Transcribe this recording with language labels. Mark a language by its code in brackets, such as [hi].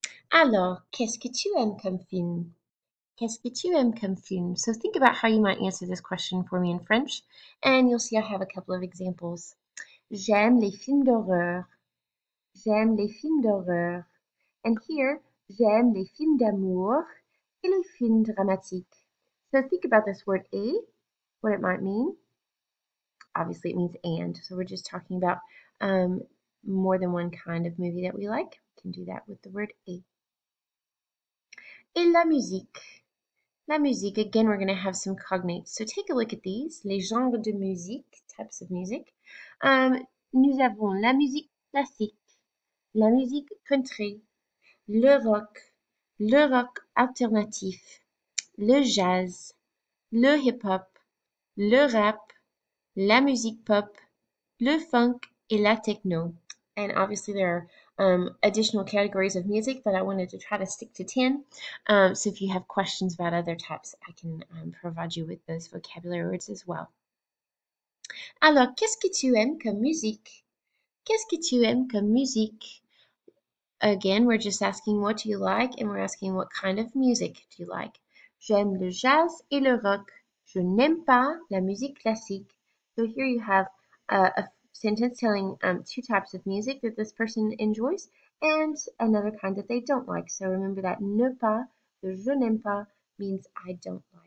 [fr] Alors, qu'est-ce que tu aimes comme film? Qu'est-ce que tu aimes comme film? [en] So think about how you might answer this question for me in French, and you'll see I have a couple of examples. [fr] J'aime les films d'horreur. J'aime les films d'horreur. [en] And here, [fr] j'aime les films d'amour et les films dramatiques. [en] So think about this word et, what it might mean. obviously it means and, so we're just talking about more than one kind of movie that we like. We can do that with the word a. [fr] Et la musique. La musique, [en] again, we're going to have some cognates. So take a look at these. [fr] Les genres de musique, [en] types of music. [fr] Nous avons la musique classique, la musique country, le rock alternatif, le jazz, le hip-hop, le rap, la musique pop, le funk et la techno. [en] And obviously there are additional categories of music, but I wanted to try to stick to 10. So if you have questions about other types, I can provide you with those vocabulary words as well. [fr] Alors, qu'est-ce que tu aimes comme musique? Qu'est-ce que tu aimes comme musique? [en] Again, we're just asking what do you like and we're asking what kind of music do you like? [fr] J'aime le jazz et le rock. Je n'aime pas la musique classique. [en] So here you have a sentence telling two types of music that this person enjoys and another kind that they don't like. So remember that [fr] ne pas, [en] the [fr] je n'aime pas, [en] means I don't